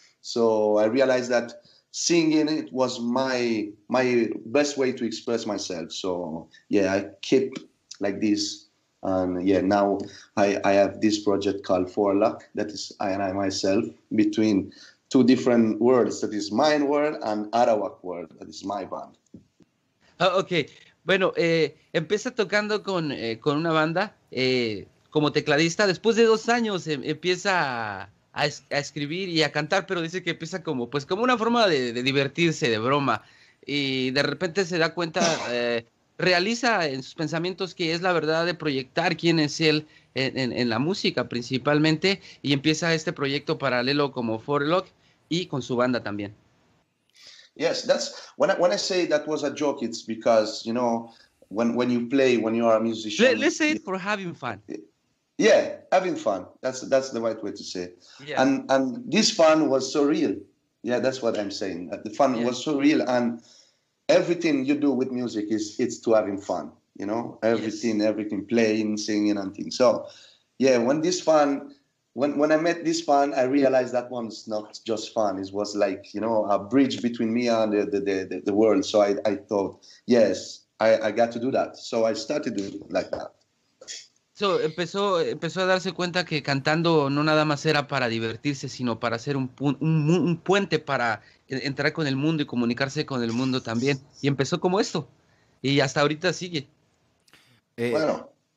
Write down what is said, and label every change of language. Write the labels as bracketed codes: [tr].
[en] So I realized that singing it was my best way to express myself. So yeah, I keep like this, and yeah, now I have this project called For Luck, that is I and I myself between two different worlds, that is my world and Arawak world, that is my band. [es] Okay, bueno, empieza tocando con una banda como tecladista. Después de 2 años empieza a escribir y a cantar, pero dice que empieza como una forma de divertirse, de broma, y de repente se da cuenta, realiza en sus pensamientos que es la verdad de proyectar quién es él en la música principalmente, y empieza este proyecto paralelo como For Luck y con su banda también. [en] Yes, that's when I say that was a joke, it's because you know when you play, when you are a musician, let's say it for having fun. Yeah, having fun. That's the right way to say it. Yeah. And this fun was so real. Yeah, that's what I'm saying. The fun was so real. And everything you do with music is to having fun, you know? Everything, playing, singing and things. So, yeah, when I met this fan, I realized that one's not just fun. It was like, you know, a bridge between me and the world. So I thought, yes, I got to do that. So I started doing it like that. [es] So, empezó a darse cuenta que cantando no nada más era para divertirse, sino para hacer un puente para entrar con el mundo y comunicarse con el mundo también. Y empezó como esto. Y hasta ahorita sigue. Bueno.